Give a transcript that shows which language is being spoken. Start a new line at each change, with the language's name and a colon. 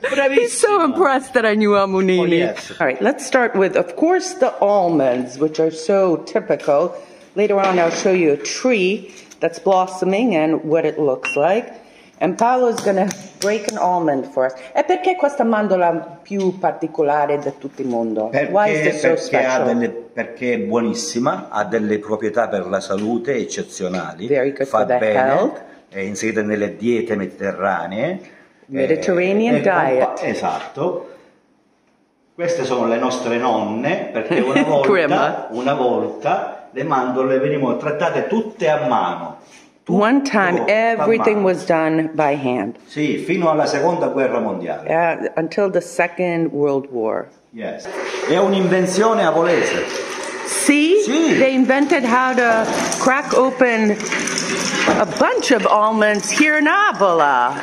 English: He's so impressed that I knew Amunini. Oh, yes. All right, let's start with, of course, the almonds, which are so typical. Later on, I'll show you a tree that's blossoming and what it looks like. And Paolo's going to break an almond for us.
Italian: E perché questa mandorla più particolare di tutto il mondo? Perché,
English: why is it so special?
Italian: Perché è buonissima, ha delle proprietà per la salute eccezionali.
English: Very good
Italian: fa
English: for the
Italian: bene,
English: health.
Italian: È inserita nelle diete mediterranee.
English: Mediterranean diet.
Italian: Esatto. Queste sono le nostre nonne, perché una volta le mandorle venivano trattate tutte a mano.
English: One time, everything was done by hand.
Italian: Sì, fino alla seconda guerra mondiale.
English: Until the Second World War. Yes.
Italian: È un'invenzione avolese.
English: See?
Italian: Sì.
English: They invented how to crack open a bunch of almonds here in Avola.